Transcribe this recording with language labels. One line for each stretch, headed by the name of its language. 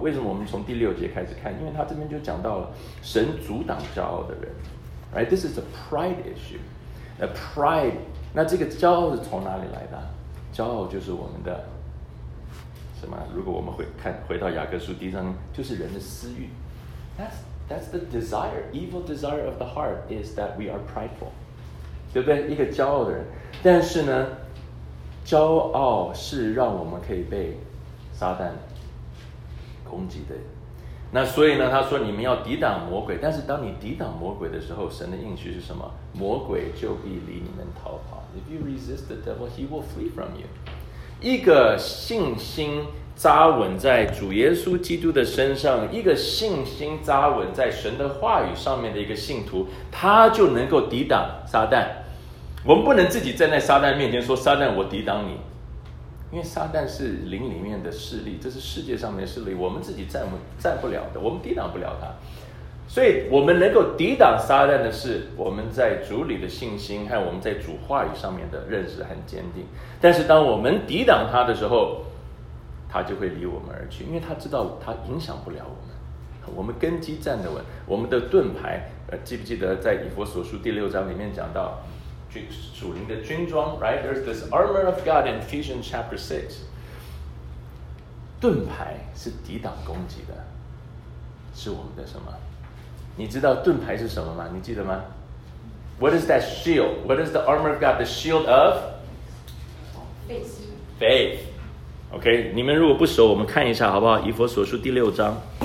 Chinese: 为什么我们从第六节开始看？因为他这边就讲到了神阻挡骄傲的人。
English: Right? This is a pride issue. A pride.
Chinese: 那这个骄傲是从哪里来的？骄傲就是我们的什么？如果我们会看回到雅各书第一章，就是人的私欲。
English: That's the desire. Evil desire of the heart is that we are prideful.
Chinese: 对不对？一个骄傲的人。但是呢，骄傲是让我们可以被撒旦攻击的。那所以呢，他说你们要抵挡魔鬼。但是当你抵挡魔鬼的时候，神的应许是什么？魔鬼就必离你们逃跑。
English: If you resist the devil, he will flee from you.
Chinese: 一个信心扎稳在主耶稣基督的身上，一个信心扎稳在神的话语上面的一个信徒，他就能够抵挡撒旦。我们不能自己站在撒旦面前说，撒旦我抵挡你，因为撒旦是灵里面的势力，这是世界上面的势力，我们自己站不了的，我们抵挡不了他。所以我们能够抵挡撒旦的是我们在主里的信心和我们在主话语上面的认识很坚定。但是当我们抵挡他的时候，他就会离我们而去，因为他知道他影响不了我们。我们根基站得稳，我们的盾牌，记不记得在以弗所书第六章里面讲到属灵的军装， right?
English: There's this armor of God in Ephesians chapter 6.
Chinese: 盾牌是抵挡攻击的，是我们的什么？你知道盾牌是什么吗？你记得吗？
English: What is that shield? What is the armor of God? The shield of? Faith.
Chinese: OK, 你们如果不熟，我们看一下好不好？以弗所书第六章。